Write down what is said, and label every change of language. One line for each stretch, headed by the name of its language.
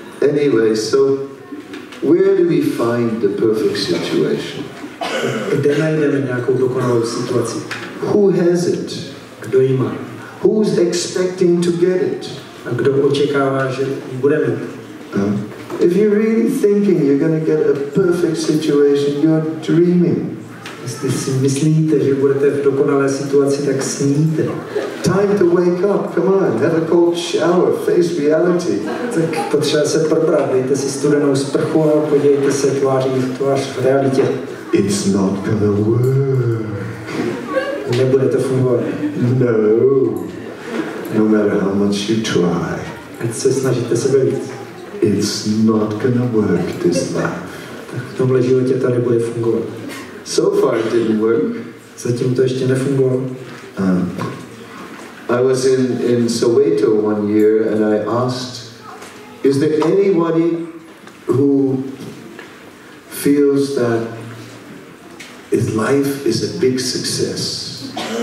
English: Anyway, so where do we find the perfect situation?
Czech: Kde najdeme nějakou dokonalou situaci?
English: Who has it?
Czech: Kdo ji má?
English: Who's expecting to get it?
Czech: A kdo očekává, že ji bude mít?
English: If you're really thinking you're going to get a perfect situation, you're dreaming.
Czech: Jestli si myslíte, že budete v dokonalé situaci, tak sníte.
English: Time to wake up, come on, have a cold shower, face reality.
Czech: Tak potřeba se probrat, dejte si studenou sprchu a podívejte se tváří v tvář v realitě.
English: It's not gonna work.
Czech: Nebude to fungovat.
English: No. No matter how much you try.
Czech: Ať se snažíte sebe víc.
English: It's not gonna work this life.
Czech: Tak v tomhle životě to nebude fungovat.
English: So far it didn't work.
Czech: Zatím to ještě nefungovalo.
English: I was in Soweto one year and I asked, is there anybody who feels that his life is a big success?